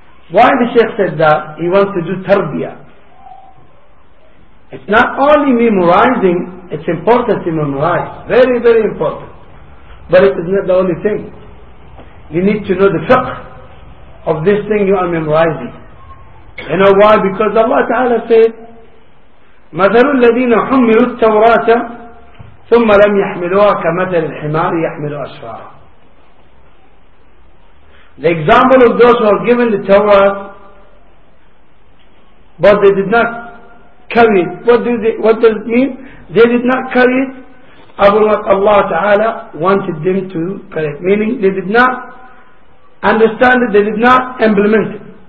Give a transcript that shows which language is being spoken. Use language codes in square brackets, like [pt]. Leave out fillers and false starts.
[en] Why the Shaykh said that? He wants to do tarbiyah. It's not only memorizing, it's important to memorize. Very, very important. But it is not the only thing. You need to know the fiqh of this thing you are memorizing. You know why? Because Allah Ta'ala said, [ar] مَثَلُ الَّذِينَ حُمِّلُوا التَّوْرَاةَ ثُمَّ لَمْ يَحْمِلُوهَا كَمَثَلِ الْحِمَارِ يَحْمِلُوا أَسْفَارَ. [en] The example of those who are given the Torah, but they did not carry it. What does it mean? They did not carry it about what Allah Ta'ala wanted them to carry it. Meaning they did not understand it, they did not implement it.